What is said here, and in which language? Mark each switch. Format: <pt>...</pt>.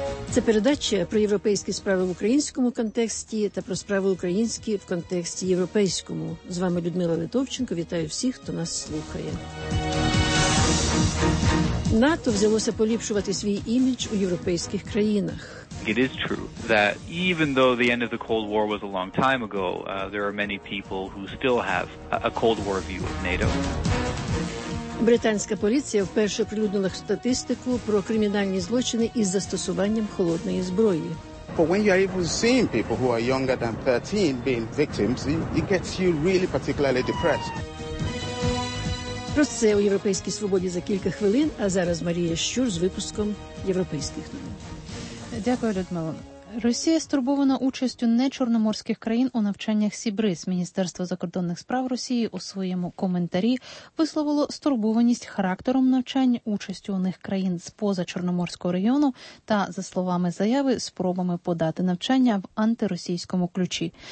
<uk>Це передача про європейські справи в українському контексті та про справи українські в контексті європейському. З вами Людмила Литовченко. Вітаю всіх, хто нас слухає. НАТО взялося поліпшувати свій імідж у європейських країнах.</uk> <en>It is true that even though the end of the Cold War was a long time ago, there are many people who still have a Cold War view of NATO.</en> <uk>Британська поліція вперше оприлюднила статистику про кримінальні злочини із застосуванням холодної зброї.</uk> <en>But when you are even seeing people who are younger than 13 being victims, it gets you really particularly depressed.</en> <uk>Про це у Європейській свободі за кілька хвилин, а зараз Марія Щур з випуском європейських новин. Дякую, Людмила. Росія стурбована участю нечорноморських країн у навчаннях «Сібрис». Міністерство закордонних справ Росії у своєму коментарі висловило стурбованість характером навчань, участю у них країн з поза Чорноморського регіону та, за словами заяви, спробами подати навчання в антиросійському ключі.</uk>